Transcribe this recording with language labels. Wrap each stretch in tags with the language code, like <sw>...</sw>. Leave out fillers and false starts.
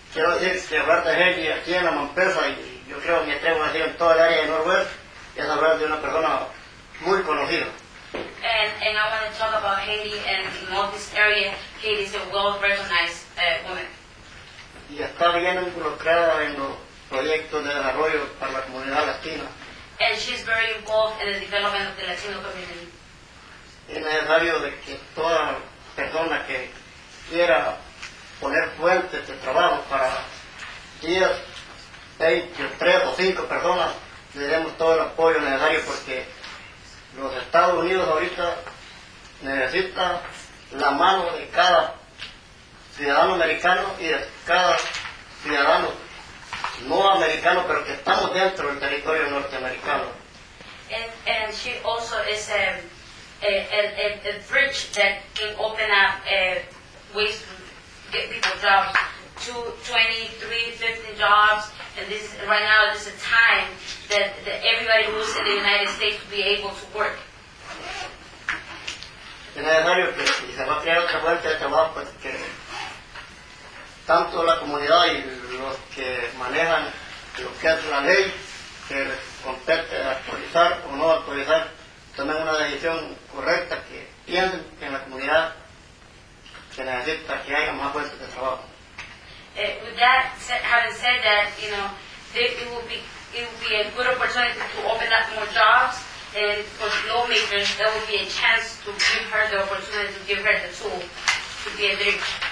<es>Quiero decir que hablar de Heidi aquí en la Mampesa, y yo creo que me atrevo a decir en toda el área de Norwest, es hablar de una persona muy conocida.</es> <en>And I want to talk about Heidi, and in all this area, Heidi is a well-recognized woman.</en> <es>Y está bien involucrada en los proyectos de desarrollo para la comunidad latina.</es> <en>And she's very involved in the development of the Latino community.</en> <es>Es necesario de que toda persona que quiera poner fuerte este trabajo para 10, 20, 3 o 5 personas, le demos todo el apoyo necesario porque los Estados Unidos ahorita necesitan la mano de cada ciudadano americano y de cada ciudadano no americano, pero que estamos dentro del territorio norteamericano.</es> <en>And she also is a bridge that can open up ways to get people jobs, 23, 50 jobs, and this right now this is a time that everybody who's in the United States will be able to work.</en> <es>Es necesario que se va a crear otra fuente de trabajo porque tanto la comunidad y los que manejan lo que es la ley que les compete actualizar o no actualizar tomen una decisión correcta, que piensen que en la comunidad se necesita que haya más puestos de trabajo.</es> <en>With that having said that, you know, it will be a good opportunity to open up more jobs, and for lawmakers, that will be a chance to give her the opportunity to give her the tool to be a bridge.</en>